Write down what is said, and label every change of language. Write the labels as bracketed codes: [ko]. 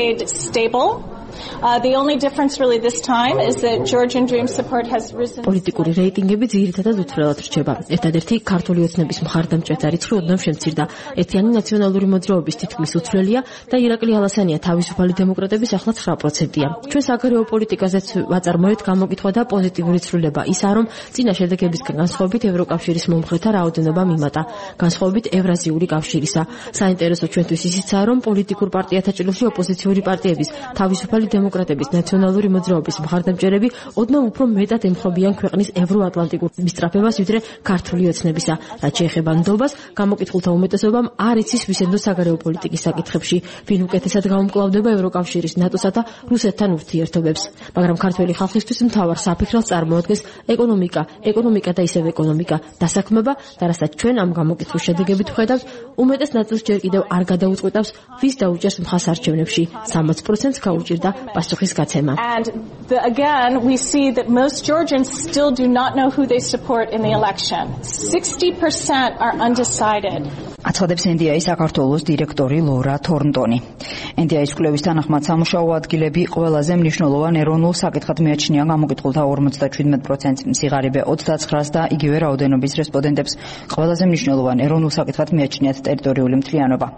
[en] The only difference really this time is that Georgian Dream support has risen. [ka] Პოლიტიკური რეიტინგები ძირითადად უცვლელად რჩება. ერთადერთი ქართული ოცნების მხარდამჭერთა რიცხვი ოდნავ შემცირდა. ერთიანი ნაციონალური მოძრაობის თითქმის უცვლელია და ირაკლი ალასანია თავისუფალი დემოკრატების ახლა 9%-ია. ჩვენ საგარეო პოლიტიკაზეც ვაწარმოეთ გამოკითხვა და პოზიტიური ცვლილება ისა, რომ წინა შედეგებისგან განსხვავებით ევროკავშირის მომხრეთა რაოდენობა მიმატა, განსხვავებით ევრაზიული კავშირისა. საინტერესო ჩვენთვის ისიცა, რომ პოლიტიკურ პარტიათა ჭილოში ოპოზიციური პარტიების თავისუფალი დემოკრატების ნაციონალური მოძრაობის მხარდამჭერები ოდნავ უფრო მეტად ემხრობიან ქვეყნის ევროატლანტიკურ მისწრაფებას, ვიდრე ქართული ოცნებისა. რაც შეეხება ნდობას, გამოკითხულთა უმეტესობამ არ იცის ვისენდო საგარეო პოლიტიკის საკითხებში, ვინ უკეთესად გაუმკლავდება ევროკავშირის, ნატოსა და რუსეთთან ურთიერთობებს. მაგრამ ქართველი ხალხისთვის მთავარ საფიქრალ წარმოადგენს ეკონომიკა და ისევ ეკონომიკა, დასაქმება და რასაც ჩვენ ამ გამოკითხვის შედეგებით ხედავთ, უმეტეს ნაწილს ჯერ კიდევ არ გადაუწყვეტავს ვის დაუჭერს მხარს არჩევნებში. 60%-ს გაუჭირდა პასუხის გაცემა. [en] And the, again we see that most Georgians still do not know who they support in the election. 60% are undecided. [ka] აცხადებს NDI-ის საქართველოს დირექტორი ლორა თორნტონი. NDI-ის კვლევის თანახმად სამუშაო ადგილები ყველაზე მნიშვნელოვან ეროვნულ საკითხად მიაჩნია გამოკითხულთა 57%-ს, სიღარიბე 29-ს და იგივე რაოდენობის რესპონდენტებს ყველაზე მნიშვნელოვან ეროვნულ საკითხად მიაჩნიათ ტერიტორიული მთლიანობა.